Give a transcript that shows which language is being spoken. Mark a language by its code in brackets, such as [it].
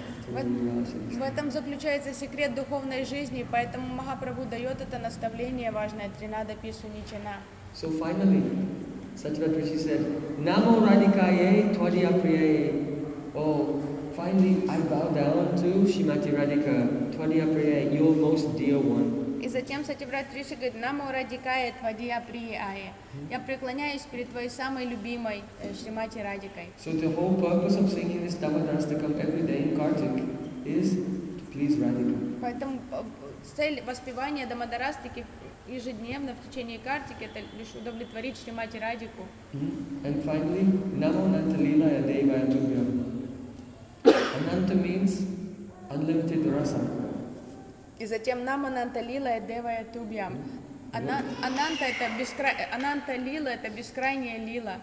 [ru] в этом заключается секрет духовной жизни, поэтому Махапрабху дает это наставление важное Тринада Пису Ничина. [en] So finally, Сативатриджи said, [sa] Namo Radhikaye Twadiya Priyaye. [en] Oh, finally I bow down to Shrimati Radhika, Twadiya Priyaye, your most dear one. [ru] И затем Сативатриджи говорит, [sa] Namo Radhikaye Twadiya Priyaye. [ru] Я преклоняюсь перед твоей самой любимой Шримати Радикой. [en] So the whole purpose of singing this Dhammadastakam every day in Kartik is to please Radhika. [ru] Поэтому цель воспевания Дамадарастики ежедневно в течение Картики это лишь удовлетворить Шримати Радику. [en] And finally, [sa] Namo Nantalilaya Devaya Tubhyam. [en] Ananta means unlimited rasa. [ru] И затем [sa] Namo Nantalilaya Devaya Tubhyam. [ru] Ананта это бескрай, Ананта лила это бескрайняя лила.